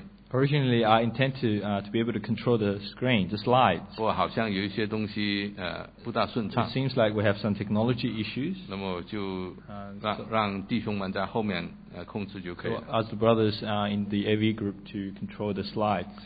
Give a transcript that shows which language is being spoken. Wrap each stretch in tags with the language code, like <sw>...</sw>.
<en>Originally, I intend to be able to control the screen, the slides.</en> <zh>不过好像有一些东西不大顺畅。</zh> <en>It seems like we have some technology issues.</en> <zh>那么就让弟兄们在后面控制就可以了。</zh> <en>So, ask the brothers in the AV group to control the slides.</en>